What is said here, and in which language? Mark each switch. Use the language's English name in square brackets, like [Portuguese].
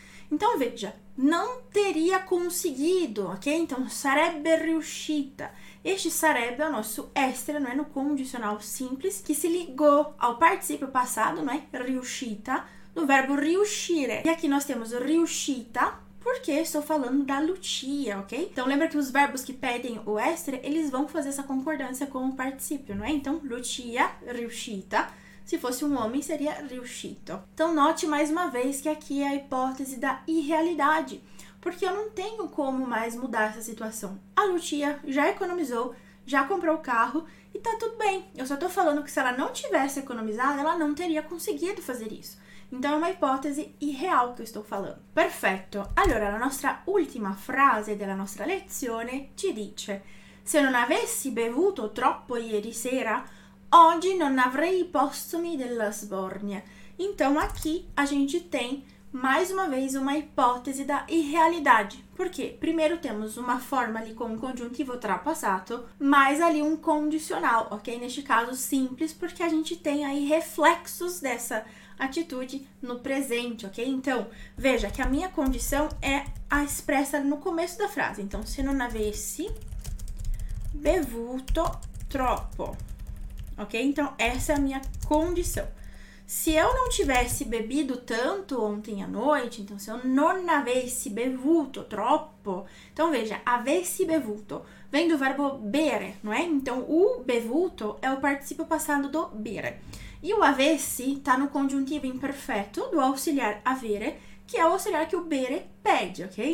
[Portuguese] Então veja, não teria conseguido, ok? Então [Italian] sarebbe riuscita. [Portuguese] Este sarebbe o nosso essere, não é? No condicional simples, que se ligou ao participio passado, não é? Riuscita, no verbo riuscire. E aqui nós temos riuscita, porque estou falando da Lucia, ok? Então lembra que os verbos que pedem o essere, eles vão fazer essa concordância com o participio, não é? Então, Lucia, riuscita. Se fosse um homem, seria riuscito. Então, note mais uma vez que aqui é a hipótese da irrealidade, porque eu não tenho como mais mudar essa situação. A Lucia já economizou, já comprou o carro e tá tudo bem. Eu só tô falando que se ela não tivesse economizado, ela não teria conseguido fazer isso. Então, é uma hipótese irreal que eu estou falando. Perfeito! [Italian] Allora, la nostra ultima frase della nostra lezione ci dice: se non avessi bevuto troppo ieri sera, oggi non avrei postumi della sbornia. [Portuguese] Então, aqui a gente tem mais uma vez uma hipótese da irrealidade. Porque primeiro temos uma forma ali com um conjuntivo ultrapassado, mais ali um condicional, ok? Neste caso, simples, porque a gente tem aí reflexos dessa atitude no presente, ok? Então, veja que a minha condição é a expressa no começo da frase. Então, [Italian] se non avessi bevuto troppo. [Portuguese] Ok? Então, essa é a minha condição. Se eu não tivesse bebido tanto ontem à noite, então se eu [Italian] non avessi bevuto troppo, [Portuguese] então veja, avessi bevuto vem do verbo bere, não é? Então, o bevuto é o participio passado do bere. E o avessi está no congiuntivo imperfeito do auxiliar avere, que é o auxiliar que o bere pede, ok?